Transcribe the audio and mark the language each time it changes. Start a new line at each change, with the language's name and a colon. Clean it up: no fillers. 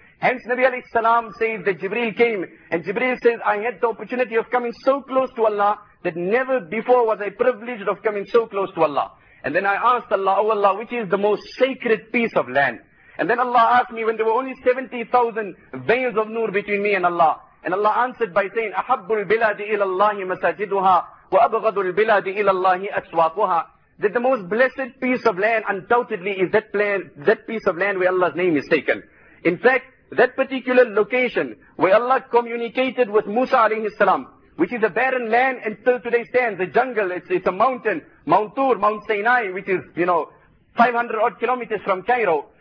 English: Hence Nabi alayhi salam says that Jibreel came, and Jibreel says, I had the opportunity of coming so close to Allah, that never before was I privileged of coming so close to Allah. And then I asked Allah, oh Allah, which is the most sacred piece of land? And then Allah asked me, when there were only 70,000 veils of nur between me and Allah. And Allah answered by saying,
Arabic: أَحَبُّ الْبِلَادِ إِلَى اللَّهِ مَسَاجِدُهَا وَأَبْغَضُ الْبِلَادِ إِلَى اللَّهِ أَسْوَاقُهَا.
English: That the most blessed piece of land undoubtedly is that piece of land where Allah's name is taken. In fact, that particular location where Allah communicated with Musa alayhi salam, which is a barren land and till today stands, a jungle, it's a mountain, Mount Tur, Mount Sinai, which is, 500 odd kilometers from Cairo.